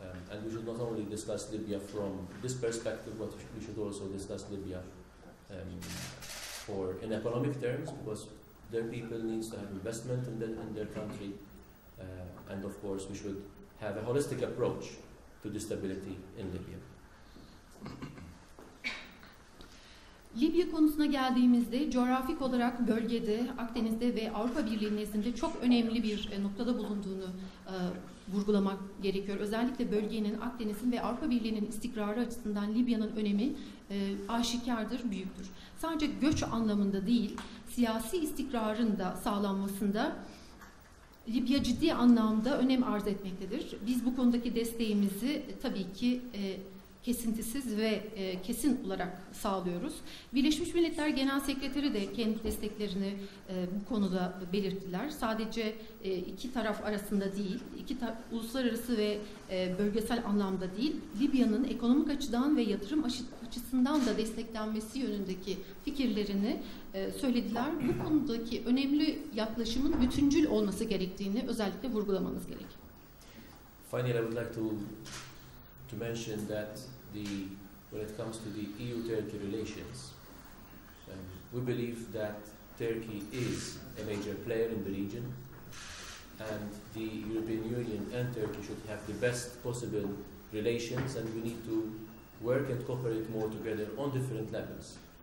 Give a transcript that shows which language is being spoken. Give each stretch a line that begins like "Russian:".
English: And we should not only discuss Libya from this perspective, but we should also discuss Libya for in economic terms, because their people needs to have investment in their country, and of course we should have a holistic approach to the stability in Libya.
Turkish: Libya konusuna geldiğimizde coğrafik olarak bölgede, Akdeniz'de ve Avrupa Birliği nezdinde çok önemli bir noktada bulunduğunu vurgulamak gerekiyor. Özellikle bölgenin, Akdeniz'in ve Avrupa Birliği'nin istikrarı açısından Libya'nın önemi aşikardır, büyüktür. Sadece göç anlamında değil, siyasi istikrarın da sağlanmasında Libya ciddi anlamda önem arz etmektedir. Biz bu konudaki desteğimizi tabii ki kesintisiz ve kesin olarak sağlıyoruz. Birleşmiş Milletler Genel Sekreteri de kendi desteklerini bu konuda belirttiler. Sadece iki taraf arasında değil, uluslararası ve bölgesel anlamda değil, Libya'nın ekonomik açıdan ve yatırım açısından da desteklenmesi yönündeki fikirlerini söylediler. Bu konudaki önemli yaklaşımın bütüncül olması gerektiğini özellikle vurgulamanız gerek.
English: Finally, I would like to mention that when it comes to the EU-Turkey relations, we believe that Turkey is a major player in the region, and the European Union and Turkey should have the best possible relations, and we need to work and cooperate more together on different levels.